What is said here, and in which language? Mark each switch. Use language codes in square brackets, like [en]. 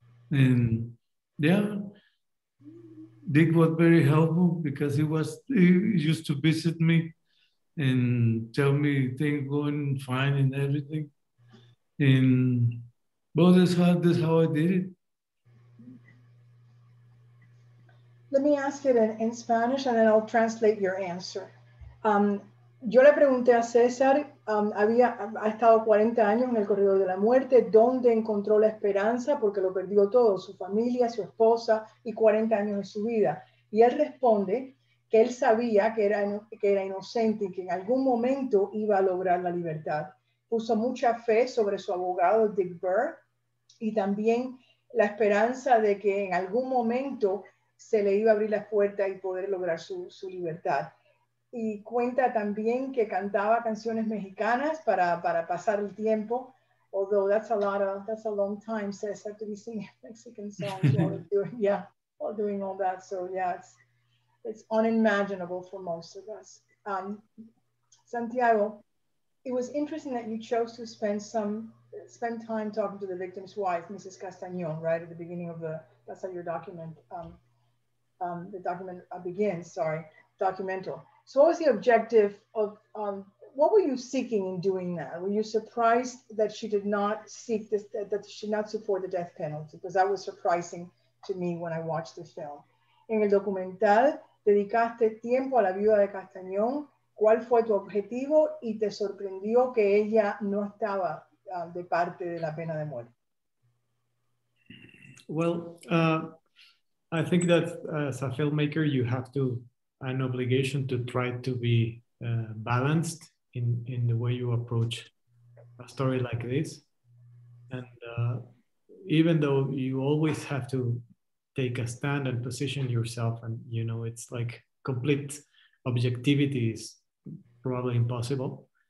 [en] And yeah, Dick was very helpful because he used to visit me and tell me things going fine and everything. And well, that's how I did it. Let me ask it in Spanish and then I'll translate your answer. [es] Yo le pregunté a César, ha estado 40 años en el corredor de la muerte, ¿dónde encontró la esperanza? Porque lo perdió todo, su familia, su esposa y 40 años de su vida. Y él responde que él sabía que era inocente y que en algún momento iba a lograr la libertad. Puso mucha fe sobre su abogado Dick Burr y también la esperanza de que en algún momento se le iba a abrir la puerta y poder lograr su libertad. Y cuenta también que cantaba canciones mexicanas para pasar el tiempo. [en] Although that's a long time, César, to be singing Mexican songs while doing all that. So yeah, it's unimaginable for most of us. Santiago, it was interesting that you chose to spend time talking to the victim's wife, Mrs. Castañón, right at the beginning of the documental. So what was the objective of, what were you seeking in doing that? Were you surprised that she did not seek this, that she did not support the death penalty? Because that was surprising to me when I watched the film. [es] En el documental, dedicaste tiempo a la viuda de Castañón. ¿Cuál fue tu objetivo? Y te sorprendió que ella no estaba de parte de la pena de muerte. [en] Well, I think that as a filmmaker, you have to an obligation to try to be balanced in the way you approach a story like this. And even though you always have to take a stand and position yourself, and you know, it's like complete objectivity is probably impossible.